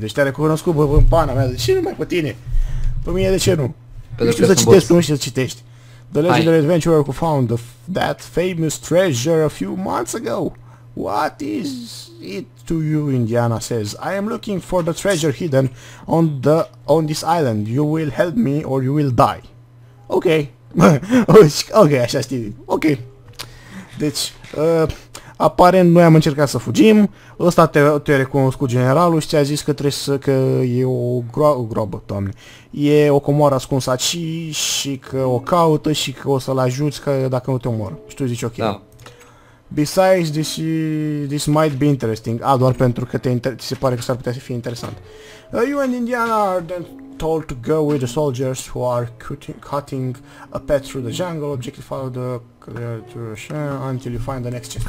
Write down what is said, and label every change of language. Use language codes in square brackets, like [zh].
[ro] Deci te-a recunoscut, bă, în pana mea. De ce nu mai pe tine? Pe mine de ce nu? Nu știu să citești, nu știu să citești. [en] The legendary Hai. Adventurer who found that famous treasure a few months ago. What is it to you, Indiana says. I am looking for the treasure hidden on this island. You will help me or you will die. [ro] Ok. Ok, așa știi. Ok. Deci, aparent noi am încercat să fugim. Ăsta te-a recunoscut generalul și ți-a zis că trebuie să, că e o groabă, doamne. E o comoară ascunsă aici și că o caută și că o să-l ajuți că dacă nu te omor. Și tu zici ok. Da. [en] Besides, this might be interesting. [ro] Ah, doar pentru că ți se pare că s-ar putea să fie interesant. [en] You and Indiana are then told to go with the soldiers who are cutting a path through the jungle. Objective, follow the creature until you find the next chest.